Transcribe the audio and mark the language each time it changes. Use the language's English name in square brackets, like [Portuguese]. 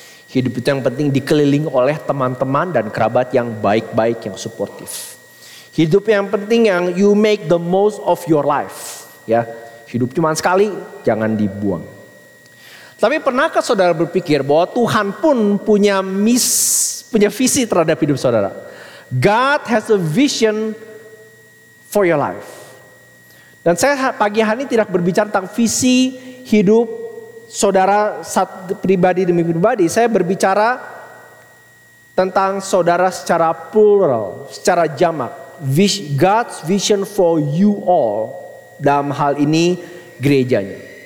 [Indonesian] Hidup itu yang penting dikelilingi oleh teman-teman dan kerabat yang baik-baik, yang suportif. Hidup yang penting yang [English] you make the most of your life. [Indonesian] Ya, hidup cuma sekali, jangan dibuang. Tapi pernahkah saudara berpikir bahwa Tuhan pun punya visi terhadap hidup saudara? [English] God has a vision for your life. [Indonesian] Dan saya pagi hari ini tidak berbicara tentang visi hidup saudara pribadi demi pribadi. Saya berbicara tentang saudara secara plural, secara jamak. [English] God's vision for you all, [Indonesian] dalam hal ini gerejanya.